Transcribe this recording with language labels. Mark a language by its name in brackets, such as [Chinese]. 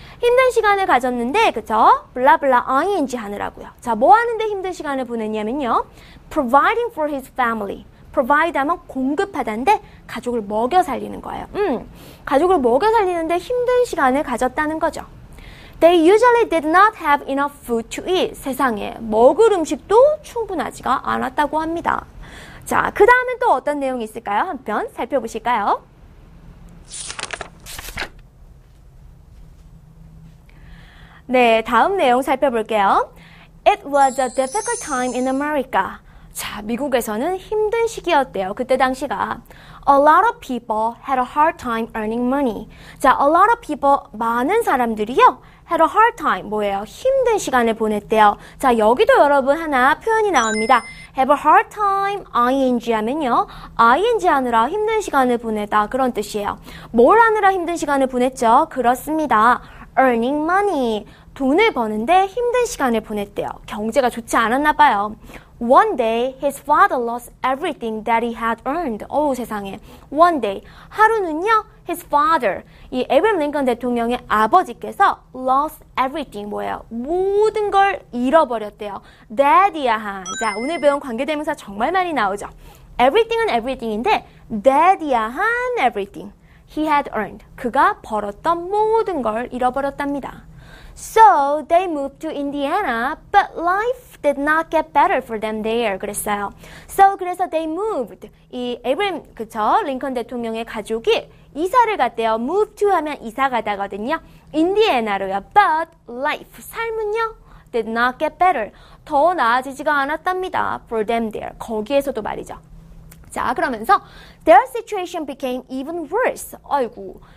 [Korean] 힘든 시간을 가졌는데, 그쵸? 블라블라 ing 하느라고요. 자, 뭐 하는데 힘든 시간을 보냈냐면요. [English] Providing for his family. [Korean] Provide 하면 공급하다인데 가족을 먹여 살리는 거예요. 가족을 먹여 살리는데 힘든 시간을 가졌다는 거죠. [English] They usually did not have enough food to eat. [Korean] 세상에 먹을 음식도 충분하지가 않았다고 합니다. 자, 그 다음에 또 어떤 내용이 있을까요? 한편 살펴보실까요? 네, 다음 내용 살펴볼게요. [English] It was a difficult time in America. [Korean] 자, 미국에서는 힘든 시기였대요. 그때 당시가 [English] A lot of people had a hard time earning money. [Korean] 자, a lot of people, 많은 사람들이요, [English] had a hard time, [Korean] 뭐예요? 힘든 시간을 보냈대요. 자, 여기도 여러분 하나 표현이 나옵니다. [English] Have a hard time, [Korean] ing 하면요, ing 하느라 힘든 시간을 보내다, 그런 뜻이에요. 뭘 하느라 힘든 시간을 보냈죠? 그렇습니다. Earning money, 돈을 버는데 힘든 시간을 보냈대요. 경제가 좋지 않았나 봐요. [English] One day, his father lost everything that he had earned. [Korean] 어우, 세상에. One day. 하루는요, his father, 이 에브럼 링컨 대통령의 아버지께서 lost everything, 뭐예요? 모든 걸 잃어버렸대요. That이야 한. 자, 오늘 배운 관계대명사 정말 많이 나오죠. [English] Everything은 everything인데, that이야 한 everything. He had earned. [Korean] 그가 벌었던 모든 걸 잃어버렸답니다. [English] So they moved to Indiana, but life did not get better for them there. [Korean] 그랬어요. So 그래서 they moved. 이 에브럼 그쵸? 링컨 대통령의 가족이 이사를 갔대요. Move to 하면 이사 가다거든요. Indiana로요. [English] But life, 삶은요? Did not get better. [Korean] 더 나아지지가 않았답니다. [English] For them there. [Korean] 거기에서도 말이죠. 자, 그러면서 [English] their situation became even worse. 아이고.